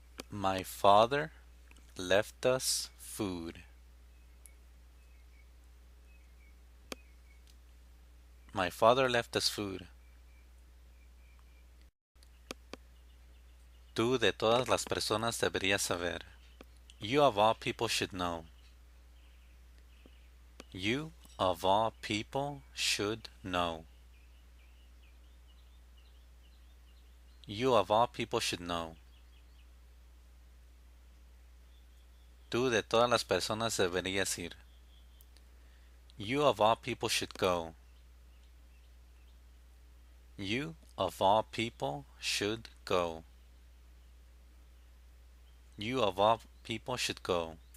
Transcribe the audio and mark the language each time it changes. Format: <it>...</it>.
<en>My father left us food. My father left us food.</en> <es>Tú de todas las personas deberías saber.</es> <en>You of all people should know. You of all people should know. You of all people should know.</en> <es>Tú de todas las personas deberías ir.</es> <en>You of all people should go. You of all people should go. You of all people should go.</en>